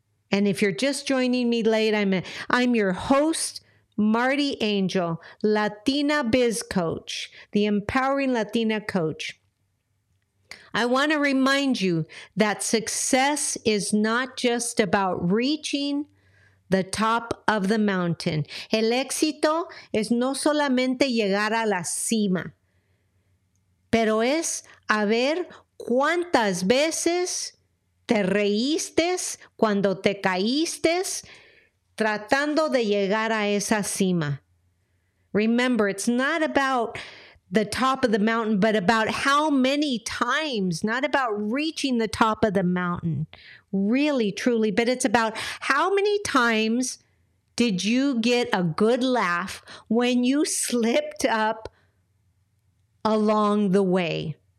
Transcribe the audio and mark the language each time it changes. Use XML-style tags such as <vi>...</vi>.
<en>And if you're just joining me late, I'm your host, Marty Angel, Latina Biz Coach, the Empowering Latina Coach. I want to remind you that success is not just about reaching the top of the mountain.</en> <es>El éxito es no solamente llegar a la cima, pero es a ver cuántas veces te reíste cuando te caíste tratando de llegar a esa cima.</es> <en>Remember, it's not about the top of the mountain, but about how many times, not about reaching the top of the mountain, really, truly, but it's about how many times did you get a good laugh when you slipped up along the way.</en>